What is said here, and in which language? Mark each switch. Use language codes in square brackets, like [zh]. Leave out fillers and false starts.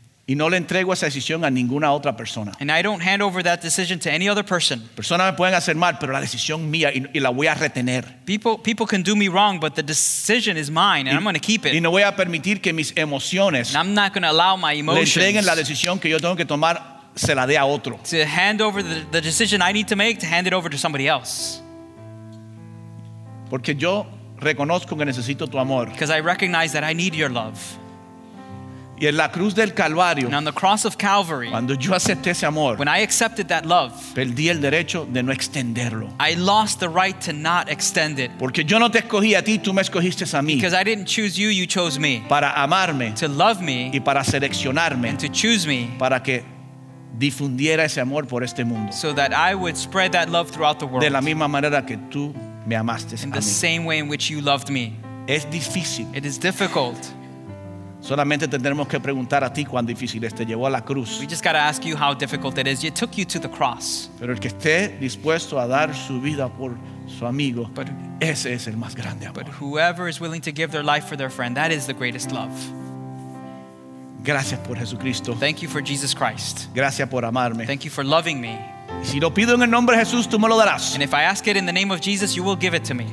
[es] Y no le entrego esa decisión a ninguna otra persona. [en] And I don't hand over that decision to any other person. [es] Personas me pueden hacer mal, pero la decisión mía y la voy a retener. [en] People can do me wrong, but the decision is mine, and I'm going to keep it. [es] Y no voy a permitir que mis emociones. [en] And I'm not going to allow my emotions. [es] Le entreguen la decisión que yo tengo que tomar, se la dé a otro. [en] To hand over the decision I need to make, to hand it over to somebody else. [es] Porque yo reconozco que necesito tu amor. [en] Because I recognize that I need your love. [es] Y en la cruz del Calvario, [en] and on the cross of Calvary, [es] cuando yo acepté ese amor, [en] when I accepted that love, [es] perdí el derecho de no extenderlo. [en] I lost the right to not extend it. [es] Porque yo no te escogí a ti, tú me escogiste a mí. [en] Because I didn't choose you, you chose me. [es] Para amarme, [en] to love me, [es] y para seleccionarme, [en] and to choose me, [es] para que difundiera ese amor por este mundo. [en] So that I would spread that love throughout the world. [es] De la misma manera que tú me amaste a mí. [en] In the same way in which you loved me. [es] Es difícil. [en] It is difficult. [es] Solamente tendremos que preguntar a ti cuán difícil es, te llevó a la cruz. [en] We just got to ask you how difficult it is. It took you to the cross. [es] Pero el que esté dispuesto a dar su vida por su amigo, but, ese es el más grande amor. [en] But whoever is willing to give their life for their friend, that is the greatest love. [es] Gracias por Jesucristo. [en] Thank you for Jesus Christ. [es] Gracias por amarme. [en] Thank you for loving me. [es] Y si lo pido en el nombre de Jesús, tú me lo darás. [en] And if I ask it in the name of Jesus, you will give it to me.